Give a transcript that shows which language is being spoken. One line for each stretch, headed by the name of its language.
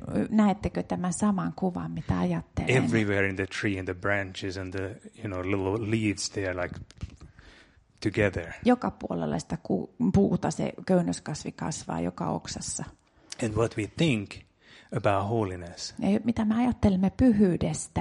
Finnish: Näettekö tämän saman kuvan, mitä ajattelen?
English: Everywhere in the tree and the branches and the, you know, little leaves, they are like together.
Finnish: Joka puolella sitä puuta se köynnöskasvi kasvaa joka oksassa.
English: And what we think about holiness.
Finnish: Ja mitä me ajattelemme pyhyydestä.